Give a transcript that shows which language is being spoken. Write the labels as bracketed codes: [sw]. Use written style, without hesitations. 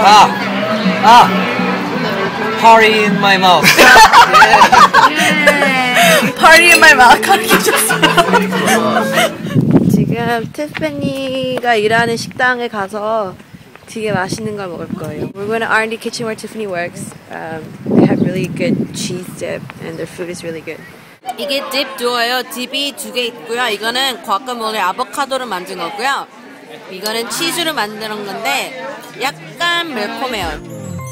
[en] 아. Party in my mouth. Party in my mouth. [ko] 지금 티파니가 일하는 식당에 가서 되게 맛있는 걸 먹을 거예요. [en] We're going to R&D kitchen where Tiffany works. They have really good cheese dip and their food is really good. [ko] 이게 딥 두어요. 딥이 두 개 있고요. 이거는 과카몰레 아보카도로 만든 거고요. 이거는 치즈로 만든 건데 약간 매콤해요.